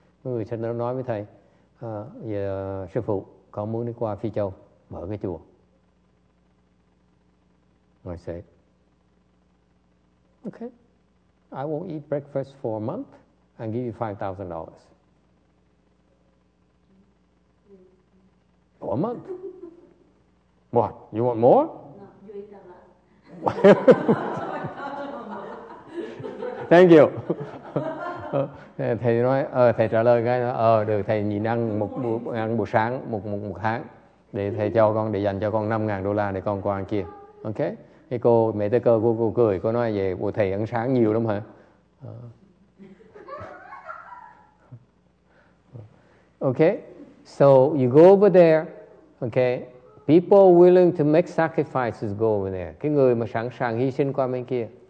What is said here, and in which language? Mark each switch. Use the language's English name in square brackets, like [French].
[Vietnamese] Mọi người sẽ nói với thầy, sư phụ, con muốn đi qua Phi Châu, mở cái chùa. [English] I say, okay, I will eat breakfast for a month and give you $5,000. For a month? What? You want more? No, you eat a lot. Thank you. [Vietnamese] Thầy nói, thầy trả lời cái, được, thầy nhìn ăn một sáng, một tháng, để thầy cho con, để dành cho con $5,000 để con qua ăn kia. Okay? Thì cô, mẹ tư cơ, cô cười, cô nói về bộ thầy ăn sáng nhiều lắm hả? [English] Okay, so you go over there, okay, People willing to make sacrifices go over there. [Vietnamese] Cái người mà sẵn sàng hy sinh qua bên kia.